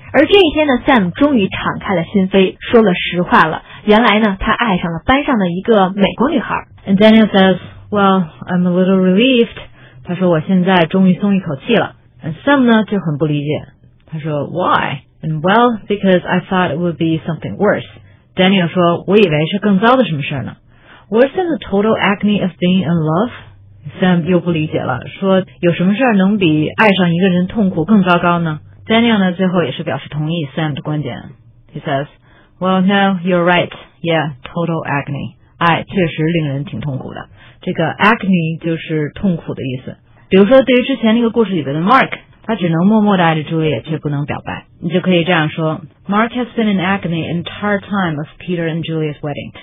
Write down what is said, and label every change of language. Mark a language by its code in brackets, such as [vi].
[zh] 而这一天呢 Sam 终于敞开了心扉，说了实话了，原来呢他爱上了班上的一个美国女孩。 [en] And Daniel says, well, I'm a little relieved. [zh] 他说我现在终于松一口气了。 And Sam 呢就很不理解，他说 [en] why? And well, because I thought it would be something worseDaniel [zh] 说我以为是更糟的什么事呢。 [en] Worse than the total agony of being in love? [zh] Sam 又不理解了，说有什么事能比爱上一个人痛苦更糟糕呢？ Daniel 呢最后也是表示同意 Sam 的观点。 [en] He says, well no, you're right, yeah, total agony. [zh] 爱确实令人挺痛苦的，这个 agony 就是痛苦的意思。比如说对于之前那个故事里边的 Mark，他只能默默地爱着朱莉，却不能表白。你就可以这样说 [en] ：Mark has been in agony the entire time of Peter and Julia's wedding.